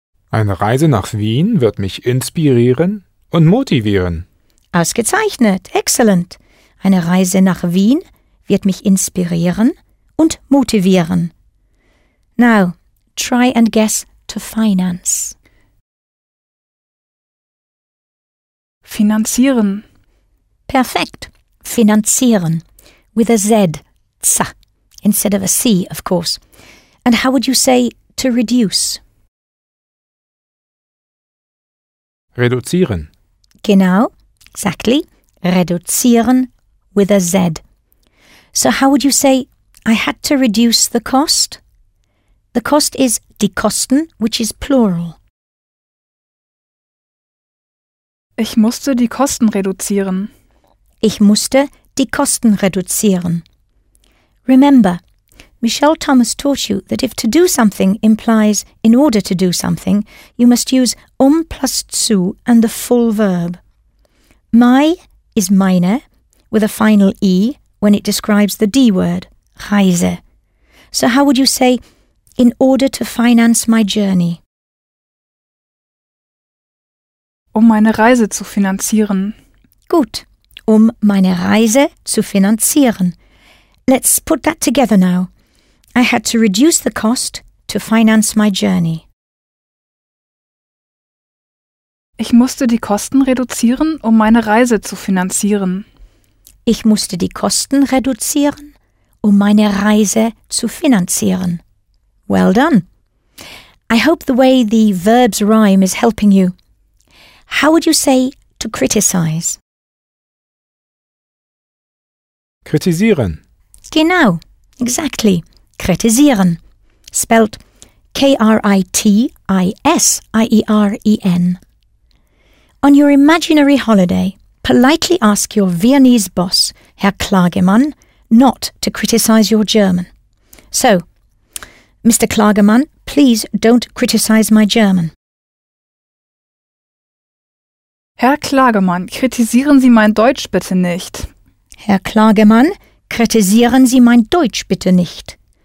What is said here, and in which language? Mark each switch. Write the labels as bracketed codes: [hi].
[de] Eine Reise nach Wien wird mich inspirieren und motivieren. Ausgezeichnet, [en] excellent. [de] Eine Reise nach Wien wird mich inspirieren und motivieren. [en] Now, try and guess to finance. [de] Finanzieren. Perfekt. Finanzieren. [en] With a Z. Z. Instead of a C, of course. And how would you say to reduce? [de] Reduzieren. Genau. [en] Exactly. [de] Reduzieren. [en] With a Z. So how would you say, I had to reduce the cost? The cost is die Kosten, which is plural. [de] Ich musste die Kosten reduzieren. Ich musste die Kosten reduzieren. [en] Remember, Michelle Thomas taught you that if to do something implies in order to do something, you must use plus zu and the full verb. My is meine, with a final E, when it describes the D word, Reise. So how would you say, in order to finance my journey? [de] Meine Reise zu finanzieren. Gut. Meine Reise zu finanzieren. [en] Let's put that together now. I had to reduce the cost to finance my journey. [de] Ich musste die Kosten reduzieren, meine Reise zu finanzieren. Ich musste die Kosten reduzieren, meine Reise zu finanzieren. [en] Well done. I hope the way the verbs rhyme is helping you. How would you say to criticize? [de] Kritisieren. Genau, [en] exactly. [de] Kritisieren. [en] Spelt K-R-I-T-I-S-I-E-R-E-N. On your imaginary holiday, politely ask your Viennese boss, Herr Klagemann, not to criticize your German. So, Mr. Klagemann, please don't criticize my German. [de] Herr Klagemann, kritisieren Sie mein Deutsch bitte nicht. Herr Klagemann, kritisieren Sie mein Deutsch bitte nicht.